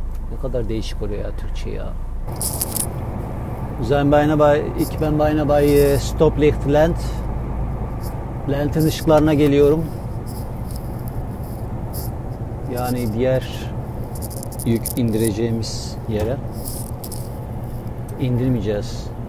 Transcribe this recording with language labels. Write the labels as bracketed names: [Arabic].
[Turkish] Ne kadar değişik oluyor ya Türkçe ya. [Dutch] Zijn bijna bij, ik ben bijna bij stoplicht Lent. [Turkish] Lent'in ışıklarına geliyorum. Yani diğer yük indireceğimiz yere indirmeyeceğiz.